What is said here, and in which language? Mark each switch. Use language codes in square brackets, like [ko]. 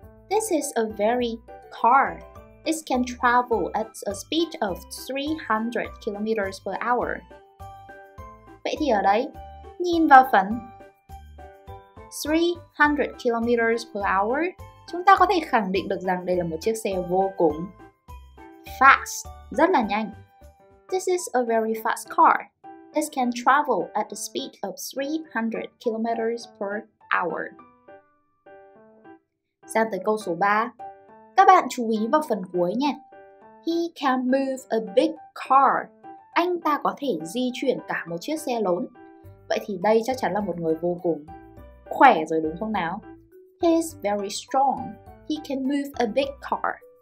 [en] This is a very car. It can travel at a speed of 300 km per hour. [vi] Vậy thì ở đây, nhìn vào phần [en] 300 km per hour, [vi] chúng ta có thể khẳng định được rằng đây là một chiếc xe vô cùng fast, rất là nhanh. [en] This is a very fast car. It can travel at the speed of 300 km per hour. [vi] Sang tới câu số 3. Các bạn chú ý vào phần cuối nha. [en] He can move a big car. [vi] Anh ta có thể di chuyển cả một chiếc xe lớn. Vậy thì đây chắc chắn là một người vô cùng khỏe rồi, đúng không nào? [en] He is very strong. He can move a big car.